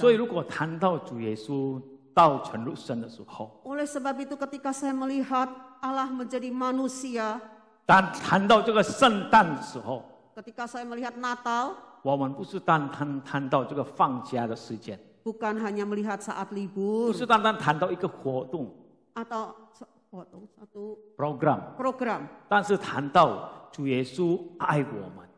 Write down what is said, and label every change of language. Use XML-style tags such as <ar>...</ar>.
<zh>所以如果谈到主耶稣 到成肉身的时候,</zh> <id>Oleh sebab itu ketika saya melihat Allah menjadi manusia,</id> <zh>但谈到这个圣诞的时候,</zh> <id>ketika saya melihat Natal,</id> <zh>我们不是单单谈到这个放假的时间,</zh> <id>bukan hanya melihat saat libur,</id> <zh>不是单单谈到一个活动,</zh> <id>atau ,活动, satu program, program,</id> <zh>但是谈到主耶稣爱我们,</zh>